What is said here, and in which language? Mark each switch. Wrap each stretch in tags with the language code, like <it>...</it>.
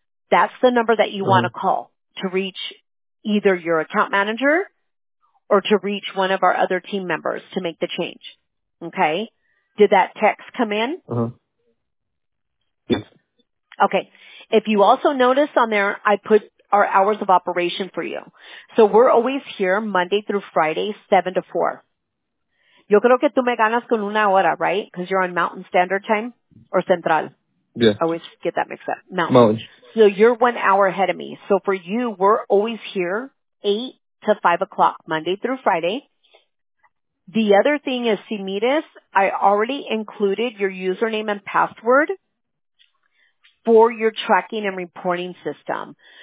<en>That's the number that you want to call to reach either your account manager or to reach one of our other team members to make the change. Okay? Did that text come in? Uh-huh. Yes. Okay. If you also notice on there, I put our hours of operation for you. So we're always here Monday through Friday, 7 to 4.</en> <es>Yo creo que tú me ganas con una hora,</es> <en>right? Because you're on Mountain Standard Time or Central. Yeah. I always get that mixed up. Mountain. So you're 1 hour ahead of me. So for you, we're always here 8 to 5 o'clock, Monday through Friday. The other thing is, Simitas, I already included your username and password for your tracking and reporting system.</en>